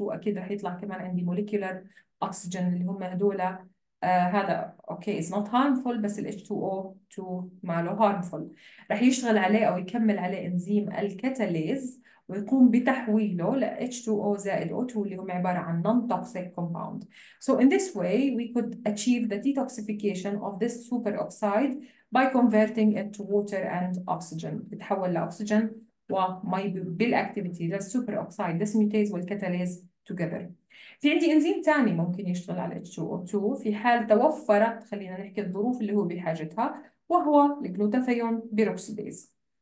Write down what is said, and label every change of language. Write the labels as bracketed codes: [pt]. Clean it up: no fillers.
[ar] أكيد رح يطلع كمان عندي مولكيولر أكسجين اللي هم هدول. هذا أوكي [en] is not harmful، [ar] بس الـ H2O2 ما له harmful. رح يشتغل عليه أو يكمل عليه إنزيم الكاتاليز ويقوم بتحويله لـ H2O زائد O2 اللي هم عبارة عن [en] non-toxic compound. So in this way we could achieve the detoxification of this superoxide by converting it to water and oxygen. [ar] بتحول لأكسجين ومي بالاكتيفيتي للسوبر اوكسيد ديسميتاز والكاتاليز توجذر. في عندي انزيم ثاني ممكن يشتغل على H2O2 في حال توفرت خلينا نحكي الظروف اللي هو بحاجتها، وهو الجلوتاثيون بيروكسيديز.